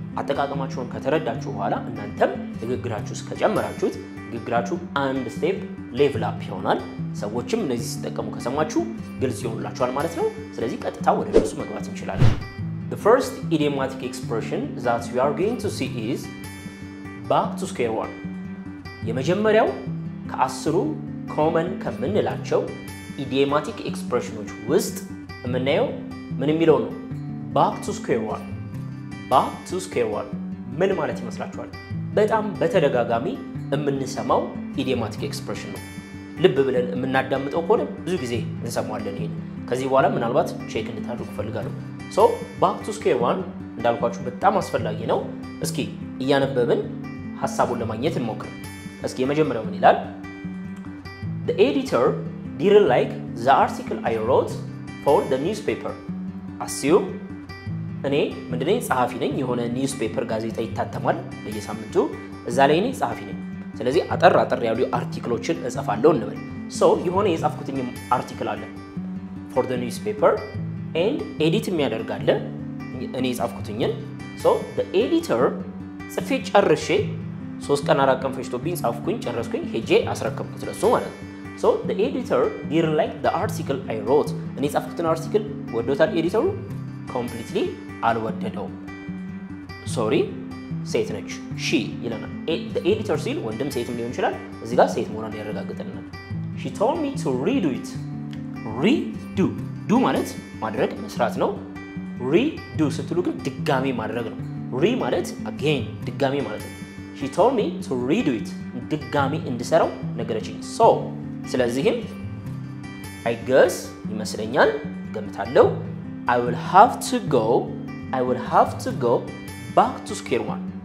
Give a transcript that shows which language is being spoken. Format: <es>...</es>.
<am>አጠቃቀማችሁን ከተረዳችሁ በኋላ እናንተም ንግግራችሁ እስከጀመራችሁት ንግግራችሁ አንድ ስቴፕ ሌቭል አፕ ይሆናል። ሰዎችም እነዚህ ሲጠቀሙ ከሰማችሁ ግልጽ ይሆንላችኋል ማለት ነው። ስለዚህ ቀጥታ ወደ ራሱ መግባት እንችላለን።</am> <en>The first idiomatic expression that we are going to see is back to square one.</en> <am>የመጀመሪያው ከአስሩ common ከምንላቸው idiomatic expressions ውስጥ እምናየው ምን የሚለው ነው?</am> <en>Back to square one. Back to square one</en> <am>ምን ማለት ይመስላችኋል? በጣም በተደጋጋሚ እምንሰማው idiomatic expression ነው። ልብ ብለን እምናዳምጠው ከሆነ ብዙ ጊዜ እንሰማዋለን ይሄን። ከዚህ በኋላ ምናልባት ቼክ እንድታደርጉ ፈልጋለሁ።</am> <en>So back to square one</en> <am>እንዳልኳችሁ በጣም አስፈላጊ ነው። እስኪ እያነበብን ሐሳቡን ለማግኘት እንሞክር። እስኪ የመጀመሪያው ምን ይላል?</am> <en>The editor didn't like the article I wrote for the newspaper.</en> <am>Assume እኔ ምንድነኝ ጸሐፊ ነኝ፣ የሆነ ኒውስፔፐር ጋዜጣ ይታተማል በየሳምንቱ፣ እዛ ላይ እኔ ጸሐፊ ነኝ። ስለዚህ አጠር አጠር ያሉ አርቲክሎችን እጽፋለሁ እንበል። So የሆነ የጻፍኩትኝ አርቲክል አለ</am> <en>for the newspaper and edit</en> <am>የሚያደርጋለ እኔ የጻፍኩትኝን።</am> <en>So the editor ጽፌ ጨርሼ 3 ቀን 4 ቀን ፈጅቶብኝ ጻፍኩኝ ጨረስኩኝ ሄጄ አስረከብኩት ለሱ ማለት ነው። So the editor didn't like the article I wrote.</en> <am>እኔ ጻፍኩትን አርቲክል ወዶታል ኤዲተሩ? completely አልወደደውም። Sorry ሴት ነች she ይለናል።</am> <en>The editor said</en> <am>ወንድም ሴትም ሊሆን ይችላል። እዚህ ጋር ሴት መሆኗን ያረጋግጥልናል።</am> <en>She told me to redo it. redo do ማለት ማድረግ መስራት ነው። redo</en> <am>ስትሉ ግን ድጋሚ ማድረግ ነው።</am> <en>re ማለት again ድጋሚ ማለት ነው። She told me to redo it</en> <am>ድጋሚ እንድሰራው ነገረችኝ።</am> <en>So ስለዚህም I guess ይመስለኛል ገምታለሁ I will have to go back to square one.</en>